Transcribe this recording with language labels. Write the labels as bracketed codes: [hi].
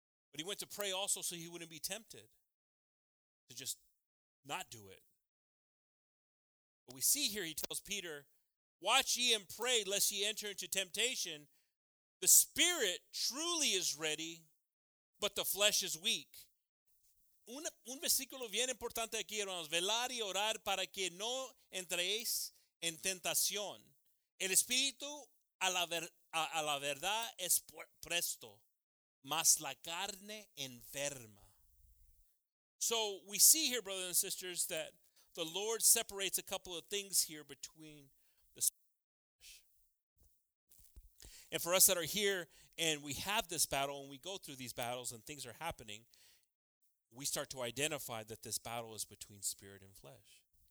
[en] But he went to pray also so he wouldn't be tempted to just not do it. But we see here he tells Peter, watch ye and pray, lest ye enter into temptation. The spirit truly is ready, but the flesh is weak. [es] Un versículo bien importante aquí, hermanos. Velar y orar para que no entréis en tentación. El espíritu a la verdad es presto, mas la carne enferma. [en] So we see here, brothers and sisters, that the Lord separates a couple of things here between. And for us that are here and we have this battle and we go through these battles and things are happening, we start to identify that this battle is between spirit and flesh.